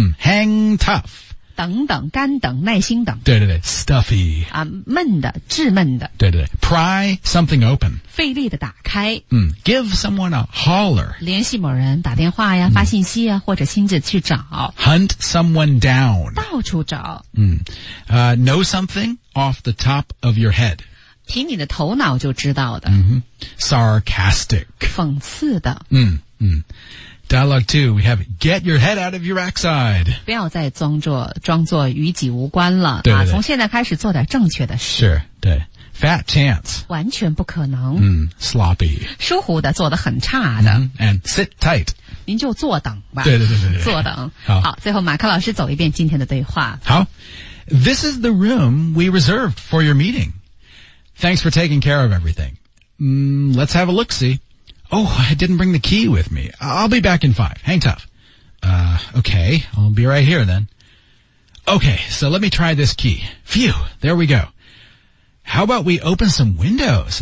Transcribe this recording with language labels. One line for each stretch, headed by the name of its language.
English: Hang tough.
Chinese: 等等干等耐心等。对对对 ,stuffy. 啊闷的致闷的。
English: 对对对 ,pry something open.
Chinese: 费力的打开。
English: Give someone a holler.
Chinese: 联系某人打电话呀发信息呀或者亲自去找。
English: Hunt someone down.
Chinese: 到处找。
English: Know something off the top of your head.
Chinese: 凭你的头脑就知道的。
English: Sarcastic.
Chinese: 讽刺的。
English: Dialogue 2, we have, get your head out of your backside.
Chinese: 不要再装作与己无关了。对对对。从现在开始做点正确的事。
English: Sure, 对。Fat chance.
Chinese: 完全不可能。
English: Sloppy.
Chinese: 疏忽的做得很差的。
English: And sit tight.
Chinese: 您就坐等吧。对对对对对。坐等。好最后马克老师走一遍今天的对话。好。
English: This is the room we reserved for your meeting. Thanks for taking care of everything. Let's have a look-see. Oh, I didn't bring the key with me. I'll be back in 5. Hang tough. Okay, I'll be right here then. Okay, so let me try this key. Phew, there we go. How about we open some windows?